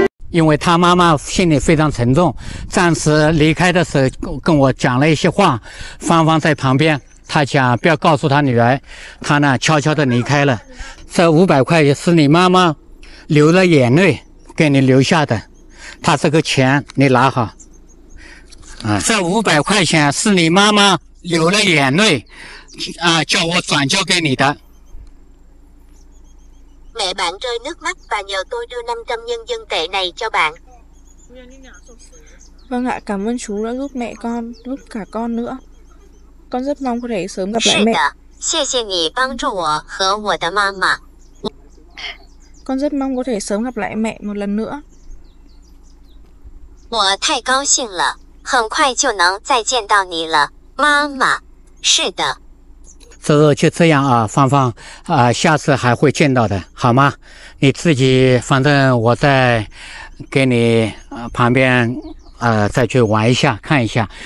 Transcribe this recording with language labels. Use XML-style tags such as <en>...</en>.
<zh>因为他妈妈心里非常沉重，暂时离开的时候跟我讲了一些话，芳芳在旁边，他讲不要告诉他女儿，他呢悄悄地离开了。这500块也是你妈妈流了眼泪给你留下的，他这个钱你拿好。这500块钱是你妈妈流了眼泪啊，叫我转交给你的。</zh> <vi>Mẹ bạn rơi nước mắt và nhờ tôi đưa 500 nhân dân tệ này cho bạn. Vâng ạ, cảm ơn chú đã giúp mẹ con, giúp cả con nữa. Con rất mong có thể sớm gặp lại mẹ.</vi> <zh>是的，谢谢你帮助我和我的妈妈。</zh> <vi>Con rất mong có thể sớm gặp lại mẹ một lần nữa.</vi> <zh>我太高兴了，很快就能再见到你了，妈妈。是的。这就这样啊，芳芳，下次还会见到的，好吗？你自己，反正我在给你旁边，再去玩一下，看一下。</zh>